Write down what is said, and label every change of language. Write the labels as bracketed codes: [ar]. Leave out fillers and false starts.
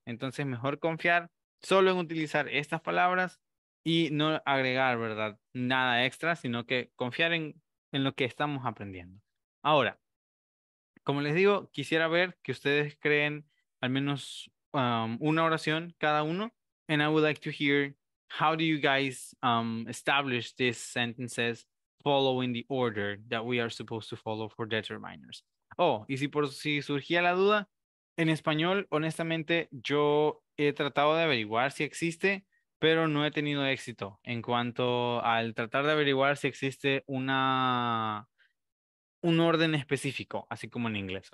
[es] Entonces, mejor confiar solo en utilizar estas palabras y no agregar, ¿verdad?, nada extra, sino que confiar en lo que estamos aprendiendo. Ahora, como les digo, quisiera ver que ustedes creen al menos una oración cada uno. [en] And I would like to hear how do you guys establish these sentences following the order that we are supposed to follow for determiners. [es] Oh, y si surgía la duda, en español, honestamente, yo he tratado de averiguar si existe, pero no he tenido éxito en cuanto al tratar de averiguar si existe un orden específico, así como en inglés.